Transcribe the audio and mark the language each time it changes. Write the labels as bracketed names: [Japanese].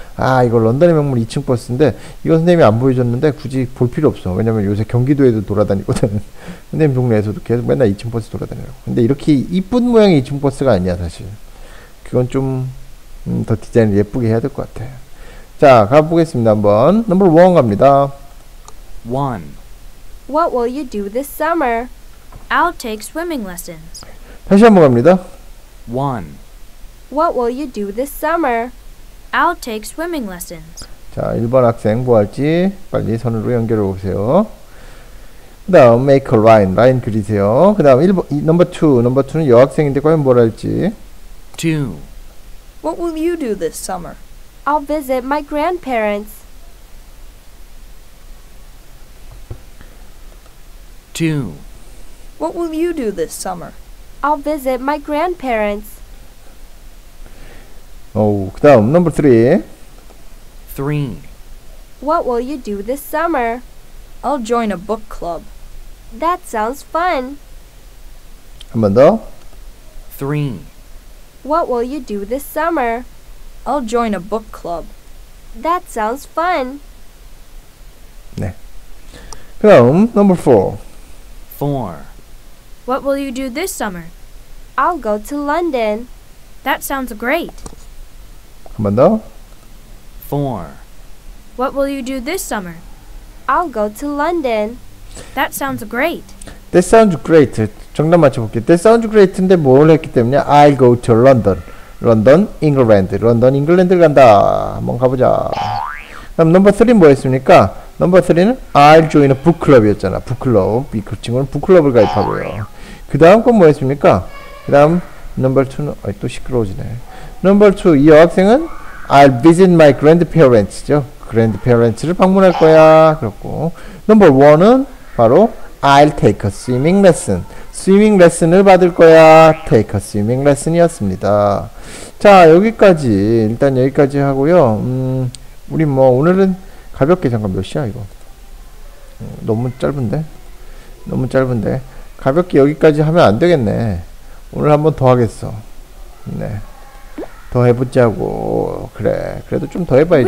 [Korean] 아, 이거 런던의 명물 2층 버스인데, 이거 선생님이 안 보여줬는데 굳이 볼 필요 없어. 왜냐면 요새 경기도에도 돌아다니거든. 선생님 동네에서도 계속 맨날 2층 버스 돌아다녀요. 근데 이렇게 이쁜 모양의 2층 버스가 아니야, 사실. 그건 좀, 더 디자인을 예쁘게 해야 될것 같아. 자, 가보겠습니다, 한번. 넘버 원 갑니다. [English] One. What will you do this summer? I'll take swimming lessons. [Korean] 다시 한번 갑니다. [English] One. What will you do this summer? I'll take swimming lessons. [Korean] 자, 1번 학생 뭐 할지 빨리 선으로 연결해 보세요. 그 다음, [English] make a line. [Korean] 라인 그리세요. 그 다음, 1번, 넘버 2. 넘버 2는 여학생인데 과연 뭘 할지. [English] Two. What will you do this summer? I'll visit my grandparents. 2. What will you do this summer? I'll visit my grandparents. [Korean] 오, 그 다음, number 3. [English] 3. What will you do this summer? I'll join a book club. That sounds fun. [Korean] 한번 더. [English] 3. What will you do this summer? I'll join a book club. That sounds fun. [Korean] 그럼 number 4. [English] 4. What will you do this summer? I'll go to London. That sounds great. [Korean] 한번 더. [English] 4. What will you do this summer? I'll go to London. That sounds great. That sounds great. [Korean] 정답 맞춰볼게. [English] That sounds great인데 [Korean] 뭘 했기 때문에 [English] I'll go to London. London, England. [Korean] London, England을 간다. 한번 가보자. 그럼 넘버 3는 뭐였습니까? 넘버 3는 [English] I'll join a book club [Korean] 이었잖아. 북클럽. 이 친구는 북클럽을 가입하고요. 그 다음 건 뭐였습니까? 그 다음 넘버 2는 아이 또 시끄러워지네. 넘버 2 이 여학생은 [English] I'll visit my grandparents [Korean] 죠. grandparents를 방문할 거야. 그렇고 넘버 1은 바로 [English] I'll take a swimming lesson. [Korean] swimming lesson을 받을 거야. [English] take a swimming lesson이었습니다. [Korean] 자 여기까지 일단 여기까지 하고요. 우리 뭐 오늘은 가볍게 잠깐 몇 시야 이거? 너무 짧은데? 너무 짧은데? 가볍게 여기까지 하면 안 되겠네. 오늘 한번 더 하겠어. 네. 더 해보자고. 그래. 그래도 좀 더 해봐야지.